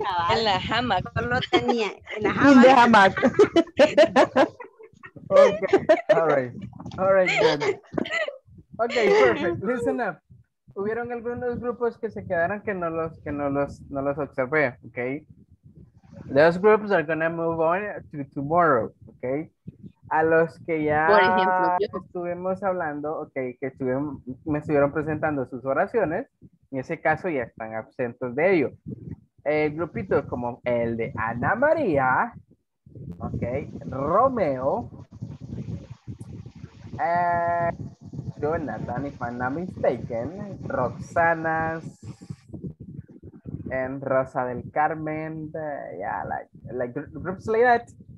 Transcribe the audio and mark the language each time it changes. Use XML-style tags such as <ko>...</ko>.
<es>En la hamac. No lo tenía. En la hamac. En la hamac.</es> <en>Ok, all right, good. Ok, perfect, listen up.</en> <es>Hubieron algunos grupos que se quedaron que no los observé, ok.</es> <en>Those groups are going to move on to tomorrow, ok.</en> <es>A los que ya, por ejemplo, estuvimos hablando, ok, me estuvieron presentando sus oraciones, en ese caso ya están absentos de ello. Grupitos como el de</es> <en>Ana María, ok, Romeo, Jonathan, if I'm not mistaken, Roxana, and Rosa del Carmen, like groups like that.</en>